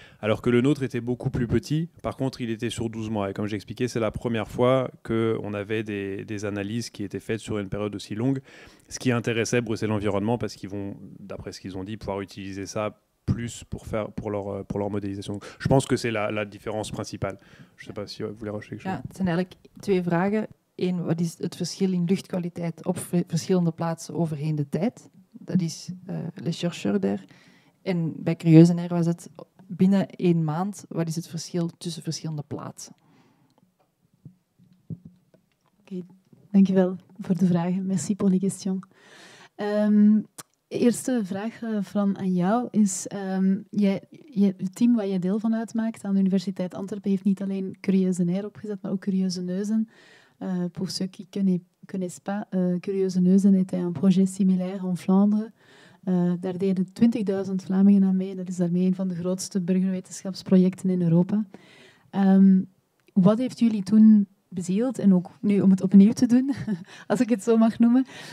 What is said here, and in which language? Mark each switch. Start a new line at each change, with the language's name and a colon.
French: Alors que le nôtre était beaucoup plus petit. Par contre, il était sur 12 mois. Et comme j'expliquais, c'est la première fois qu'on avait des analyses qui étaient faites sur une période aussi longue, ce qui intéressait Bruxelles Environnement parce qu'ils vont, d'après ce qu'ils ont dit, pouvoir utiliser ça plus pour leur modélisation. Donc, je pense que c'est la différence principale. Je ne sais pas si vous voulez rajouter quelque chose.
Dutch: Ja, het zijn eigenlijk twee vragen. Eén, wat is het verschil in luchtkwaliteit op verschillende plaatsen overheen de tijd? Dat is les chercheurs d'air. En bij Curiosonaire was het binnen één maand, wat is het verschil tussen verschillende plaatsen? Okay. Dank je wel voor de vragen.
French: Merci pour les questions.
Dutch: Eerste vraag van aan jou is, het team waar je deel van uitmaakt aan de Universiteit Antwerpen heeft niet alleen Curiosonaire opgezet, maar ook Curiosoneuzen.
French: Pour ceux qui ne connaissent pas, Curiosoneuzen était un projet similaire en Vlaanderen.
Dutch: Daar deden 20.000 Vlamingen aan mee. Dat is daarmee een van de grootste burgerwetenschapsprojecten in Europa. Wat heeft jullie toen bezield, en ook nu om het opnieuw te doen, als ik het zo mag noemen.